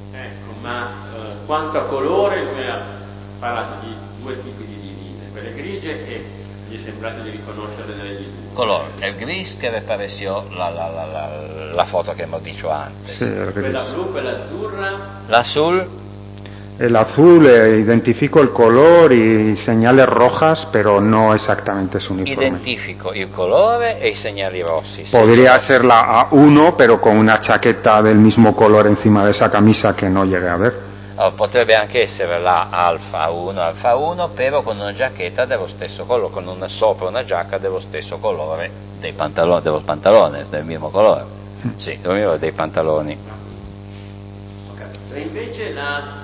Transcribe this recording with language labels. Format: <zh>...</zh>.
<it>Ecco, ma quanto a colore, lui ha parlato di due tipi di linee, quelle grigie e gli è sembrato di riconoscere delle linee.</it> <es>Color, el gris que me pareció la foto que hemos dicho antes. Sí, el gris.</es> <it>Quella blu, quella azzurra.</it> <es>L'azul. El azul, identifico el color y señales rojas, pero no exactamente su uniforme. Identifico el color y señales rojas. Podría ser la A1, pero con una chaqueta del mismo color encima de esa camisa que no llegué a ver.</es> <it>Potrebbe anche essere la Alfa 1, però con una giacchetta dello stesso colore, con una sopra una giacca dello stesso colore dei pantaloni, dello pantalone, del mismo colore. Sì, del mio dei pantaloni. Ok, e invece la</it>